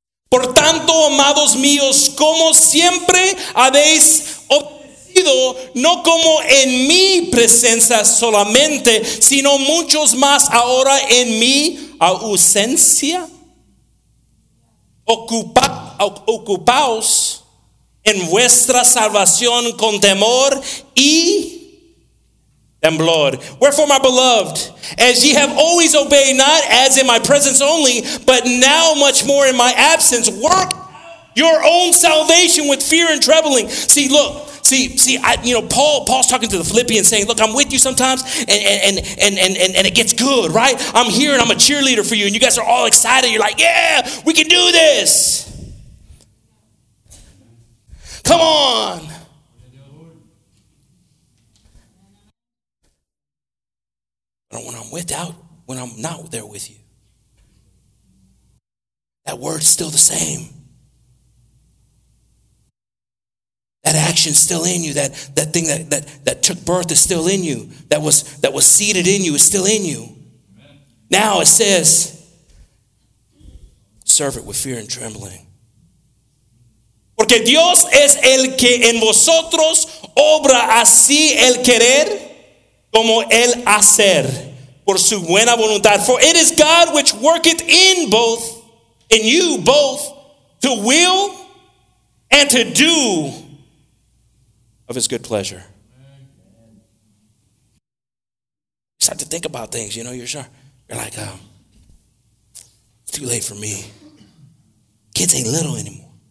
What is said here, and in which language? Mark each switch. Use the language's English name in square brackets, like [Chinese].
[Spanish] Por tanto, amados míos, como siempre habéis obedecido, no como en mi presencia solamente, sino muchos más ahora en mi ausencia, ocupaos en vuestra salvación con temor y temblor. [English] Wherefore, my beloved, as ye have always obeyed, not as in my presence only, but now much more in my absence, work your own salvation with fear and trembling. Paul's talking to the Philippians saying, look, I'm with you sometimes and it gets good, right? I'm here and I'm a cheerleader for you, and you guys are all excited. You're like, yeah, we can do this. Come on. But when I'm not there with you, that word's still the same. That action's still in you. That thing that took birth is still in you. That was seated in you is still in you. Amen. Now it says, serve it with fear and trembling. [Spanish] Porque Dios es el que en vosotros obra así el querer como el hacer. Por su buena voluntad. [English] For it is God which worketh in you both, to will and to do of his good pleasure. You start to think about things, you know, you're sure. You're like, it's too late for me. Kids ain't little anymore.